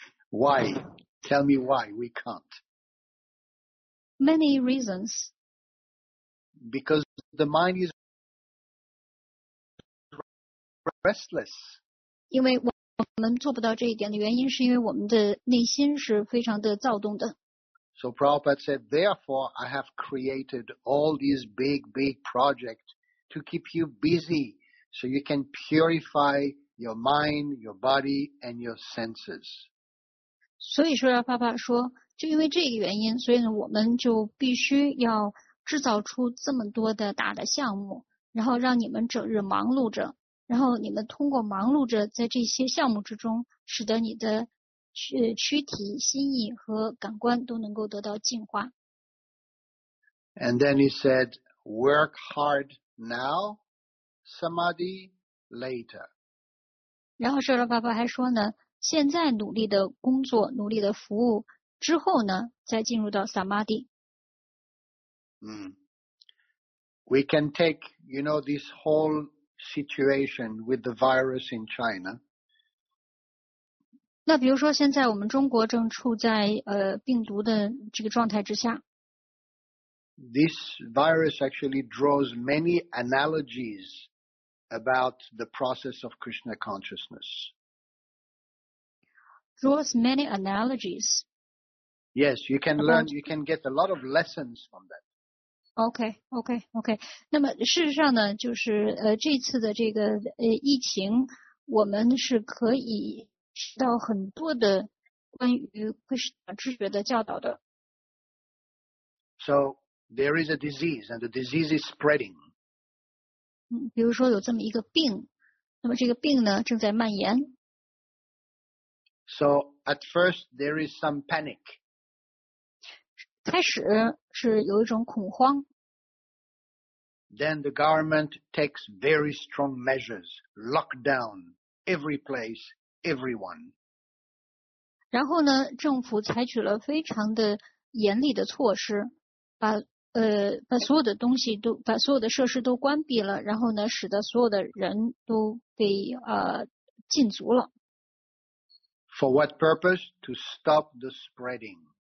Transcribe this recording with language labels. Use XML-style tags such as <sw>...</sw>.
<en>Why? Tell me why we can't. Many reasons. Because the mind is restless.</en> <zh>因为我们做不到这一点的原因是因为我们的内心是非常的躁动的。</zh> <en>So Prabhupada said, therefore, I have created all these big, big projects to keep you busy so you can purify your mind, your body, and your senses.</en> <zh>所以说爸爸说，就因为这个原因，所以呢，我们就必须要制造出这么多的大的项目，然后让你们整日忙碌着。然后你们通过忙碌着在这些项目之中，使得你的 躯体、心意和感官都能够得到净化。</zh> <en>And then he said, work hard now, samadhi later.</en> <zh>然后舍勒爸爸还说呢，现在努力的工作，努力的服务，之后呢，再进入到 samadhi。</zh> <en>We can take, you know, this whole situation with the virus in China.</en> <zh>那比如说现在我们中国正处在病毒的这个状态之下。</zh> <en>This virus actually draws many analogies about the process of Krishna consciousness. Draws many analogies. Yes, you can learn, you can get a lot of lessons from that. OK.</en> <zh>那么事实上呢，就是这次的这个疫情，我们是可以学到很多的关于Krishna知觉的教导的。</zh> <en>So there is a disease, and the disease is spreading.</en> <zh>比如说有这么一个病，那么这个病呢正在蔓延。</zh> <en>So at first there is some panic.</en> <zh>开始是有一种恐慌。</zh> <en>Then the government takes very strong measures, lockdown, every place, everyone.</en> <zh>然后呢，政府采取了非常的严厉的措施，把所有的东西都，把所有的设施都关闭了，然后呢，使得所有的人都被禁足了。</zh> <en>For what purpose? To stop the spreading.</en>